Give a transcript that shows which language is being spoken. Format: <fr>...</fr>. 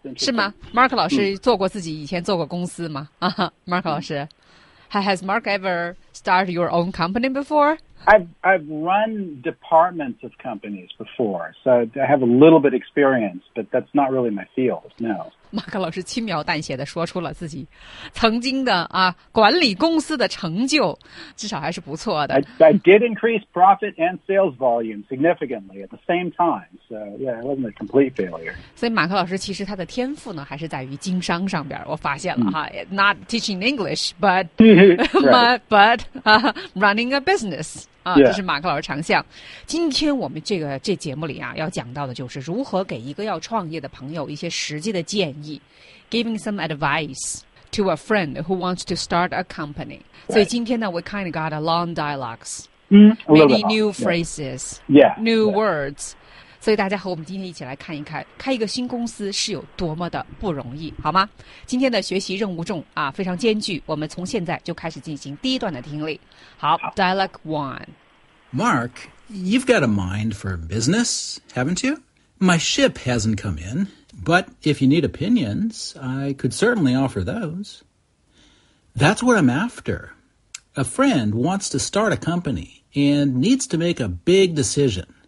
<zh>是吗 ?Mark 老师做过自己以前做过公司吗、Mark 老师、</zh> <en>Has Mark ever started your own company before? I've run departments of companies before, so I have a little bit experience, but that's not really my field, no.</en> <zh>Mark 老师轻描淡写地说出了自己曾经的啊管理公司的成就，至少还是不错的。</zh> <en>I did increase profit and sales volume significantly at the same time, so yeah, it wasn't a complete failure.</en> <zh>所以马克老师其实他的天赋呢还是在于经商上边，我发现了哈、</zh> <en>not teaching English, but, but、running a business. Yeah.</en> <zh>这是马克老师长项。今天我们这节目里啊，要讲到的就是如何给一个要创业的朋友一些实际的建议 ，</zh> <en>giving some advice to a friend who wants to start a company.、 Right.</en> <zh>所以今天呢</zh> <en>，we kind of got a long dialogues,、 many new phrases, yeah, new words.</en> <zh>所以大家和我们今天一起来看一看，开一个新公司是有多么的不容易，好吗？今天的学习任务重啊，非常艰巨。我们从现在就开始进行第一段的听力。好</zh> <en>，Dialogue One. Mark, you've got a mind for business, haven't you? My ship hasn't come in, but if you need opinions, I could certainly offer those. That's what I'm after. A friend wants to start a company and needs to make a big decision.</en>